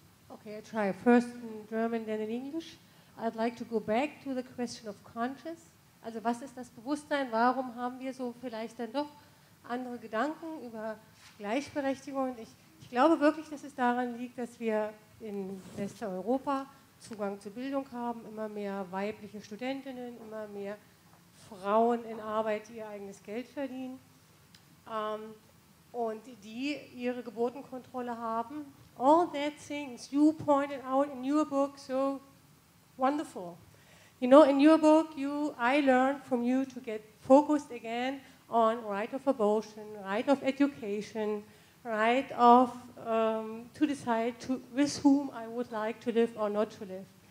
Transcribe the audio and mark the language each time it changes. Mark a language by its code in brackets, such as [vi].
[en] Okay, I try first in German, then in English. I'd like to go back to the question of conscience. [de] Also, was ist das Bewusstsein? Warum haben wir so vielleicht dann doch andere Gedanken über Gleichberechtigung? Und ich glaube wirklich, dass es daran liegt, dass wir in Westeuropa Zugang zu Bildung haben, immer mehr weibliche Studentinnen, immer mehr Frauen in Arbeit, die ihr eigenes Geld verdienen und die ihre Geburtenkontrolle haben. [en] All that things you pointed out in your book, so wonderful. You know, in your book, I learned from you to get focused again on right of abortion, right of education, right of to decide to with whom I would like to live or not to live.